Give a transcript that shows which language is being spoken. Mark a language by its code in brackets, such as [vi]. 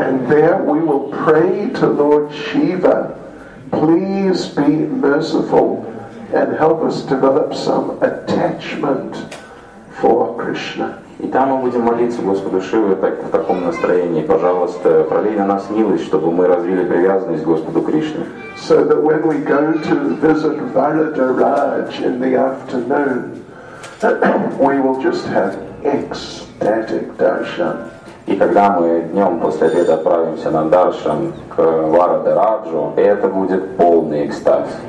[en] And there we will pray to Lord Shiva, please be merciful and help us develop some attachment for Krishna. [ru] И там мы будем молиться Господу Шиве так, в таком настроении. Пожалуйста, пролей на нас милость, чтобы мы развили привязанность к Господу Кришне. [en] So that when we go to visit Varadaraj in the afternoon, we will just have ecstatic darshan. [ru] И когда мы днем после обеда отправимся на даршан к Варадараджу, это будет полный экстаз.